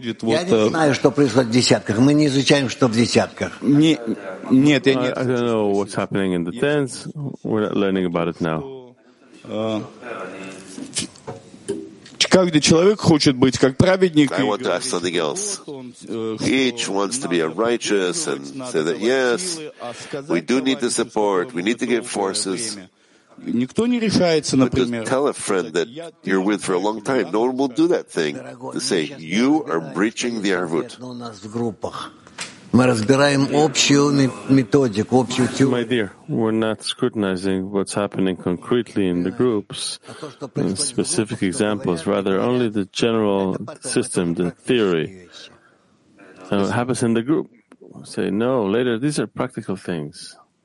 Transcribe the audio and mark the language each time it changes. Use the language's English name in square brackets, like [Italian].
[English] I don't know what's happening in the tens. We're not learning about it now. [Russian] Каждый человек хочет быть как праведник. [English] I want to ask something else. Each wants to be a righteous and say that yes, we do need the support. We need to give forces. [Russian] Никто не решается, например. [English] But to tell a friend that you're with for a long time, no one will do that thing. To say you are breaching the arvut. [Russian] У нас в группах мы разбираем общую методику, общую теорию. [English] My dear, we're not scrutinizing what's happening concretely in the groups, in specific examples, rather only the general system, the theory. And what happens in the group? Say no. Later, these are practical things.